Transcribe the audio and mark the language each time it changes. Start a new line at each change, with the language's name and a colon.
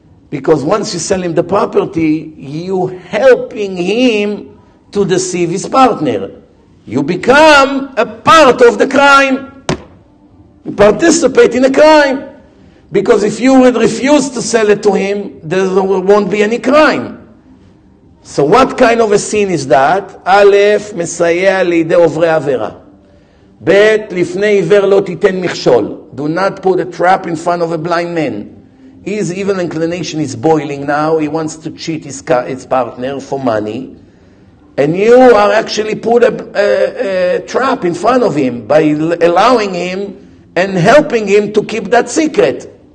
English: Because once you sell him the property, you're helping him to deceive his partner. You become a part of the crime. You participate in a crime. Because if you would refuse to sell it to him, there won't be any crime. So what kind of a sin is that?
Hebrew: Aleph, מסייע לידי עוברי עבירה. Bet, לפני עיוור לא תיתן מכשול.
English: Do not put a trap in front of a blind man. His evil inclination is boiling now. He wants to cheat his partner for money. And you are actually put a trap in front of him by allowing him and helping him to keep that secret.